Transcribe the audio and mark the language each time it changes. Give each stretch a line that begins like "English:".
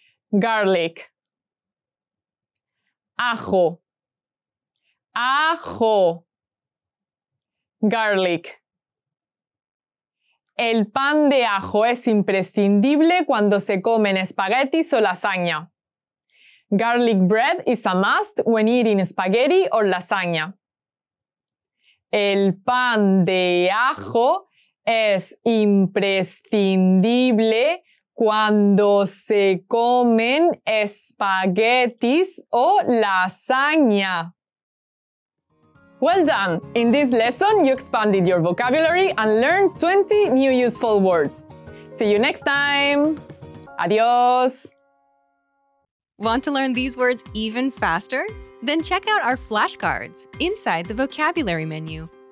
English: Garlic.
Spanish: Ajo. Ajo. Garlic. El pan de ajo es imprescindible cuando se comen espaguetis o lasaña.
English: Garlic bread is a must when eating spaghetti or lasagna.
Spanish: El pan de ajo es imprescindible cuando se comen espaguetis o lasaña.
English: Well done! In this lesson, you expanded your vocabulary and learned 20 new useful words. See you next time! Adios! Want to learn these words even faster? Then check out our flashcards inside the vocabulary menu.